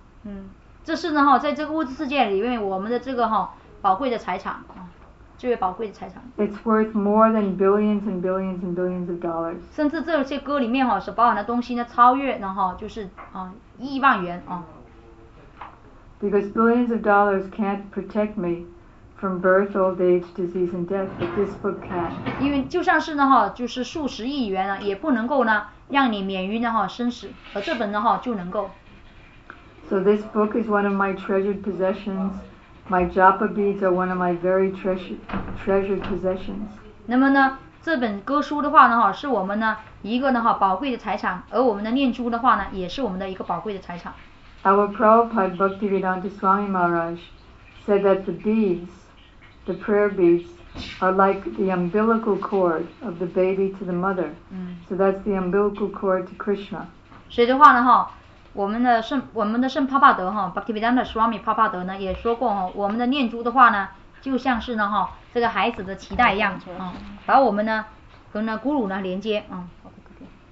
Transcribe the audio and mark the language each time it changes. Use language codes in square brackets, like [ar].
[zh] 嗯，这是呢哈，在这个物质世界里面，我们的这个哈宝贵的财产啊，最为宝贵的财产。 [en] It's worth more than billions and billions and billions of dollars. [zh] 甚至这些歌里面哈所包含的东西呢，超越呢哈就是亿万元啊。 [en] Because billions of dollars can't protect me. From birth, old age, disease, and death, but this book can. [zh] 因为就算是呢哈，就是数十亿元呢，也不能够呢让你免于呢哈生死，而这本呢哈就能够。 [en] So this book is one of my treasured possessions. My japa beads are one of my very treasured possessions. [zh] 那么呢，这本歌书的话呢哈，是我们呢一个呢哈宝贵的财产，而我们的念珠的话呢，也是我们的一个宝贵的财产。 [en] Our Prabhupada Bhaktivedanta Swami Maharaj. Said that the beads, the prayer beads, are like the umbilical cord of the baby to the mother.、嗯、 so that's the umbilical cord to Krishna. [zh] 所以的话呢哈，我们的圣帕帕德哈 ，Bhaktivedanta Swami 帕帕德呢也说过哈，我们的念珠的话呢，就像是呢哈这个孩子的脐带一样啊、嗯，把我们呢和呢咕噜呢连接啊。好、嗯、的，可以。